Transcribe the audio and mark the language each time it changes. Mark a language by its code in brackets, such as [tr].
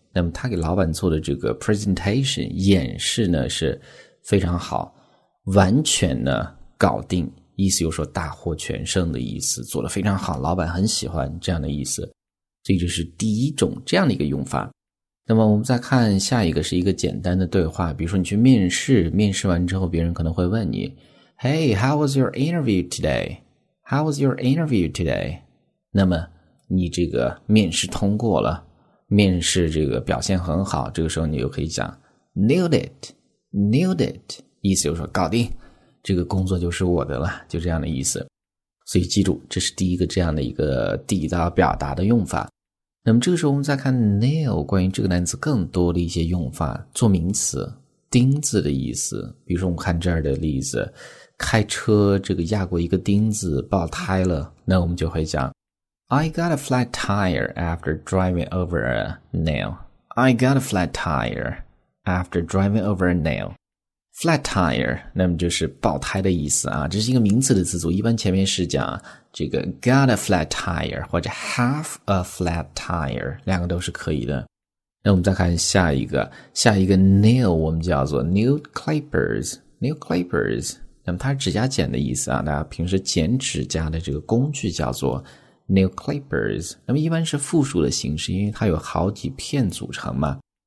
[zh] 那么她给老板做的这个 presentation 演示呢是非常好，完全呢搞定，意思就是说大获全胜的意思，做得非常好，老板很喜欢这样的意思。所以这是第一种这样的一个用法。那么我们再看下一个，是一个简单的对话。比如说你去面试，面试完之后，别人可能会问你 ： [en] “Hey, how was your interview today? How was your interview today?” [zh] 那么你这个面试通过了，面试这个表现很好，这个时候你就可以讲 [en] “Nailed it, nailed it”， [zh] 意思就是说搞定，这个工作就是我的了，就这样的意思。所以记住，这是第一个这样的一个地道表达的用法。那么这个时候我们再看 nail 关于这个单词更多的一些用法，做名词，钉子的意思。比如说我们看这儿的例子，开车这个压过一个钉子，爆胎了，那我们就会讲 [en] I got a flat tire after driving over a nail. I got a flat tire after driving over a nail. [zh] Flat tire， 那么就是爆胎的意思啊，这是一个名词的词组，一般前面是讲这个 [en] got a flat tire [zh] 或者 [en] have a flat tire， [zh] 两个都是可以的。那我们再看下一个，下一个 nail 我们叫做 nail clippers， nail clippers， 那么它是指甲剪的意思啊，大家平时剪指甲的这个工具叫做 nail clippers， 那么一般是复数的形式，因为它有好几片组成嘛。